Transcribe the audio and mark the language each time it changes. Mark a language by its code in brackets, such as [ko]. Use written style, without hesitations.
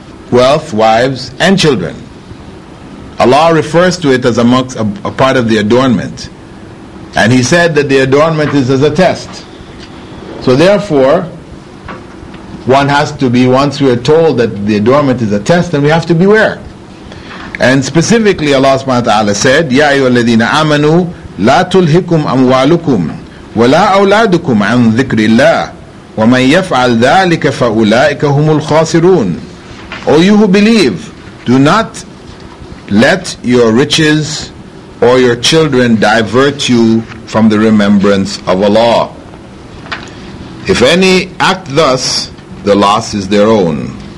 [en] Wealth, wives, and children. Allah refers to it as amongst a part of the adornment. And He said that the adornment is as a test. So therefore, one has to be, once we are told that the adornment is a test, then we have to beware. And specifically, Allah subhanahu wa ta'ala said, [ar] يَا أَيُّهَا الَّذِينَ آمَنُوا لَا تُلْهِكُمْ أَمْوَالُكُمْ وَلَا أَوْلَادُكُمْ عَنْ ذِكْرِ اللَّهِ وَمَنْ يَفْعَلْ ذَلِكَ فَأُولَٰئِكَ هُمُ الْخَاسِرُونَ. [en] O you who believe, do not let your riches or your children divert you from the remembrance of Allah. If any act thus, the loss is their own.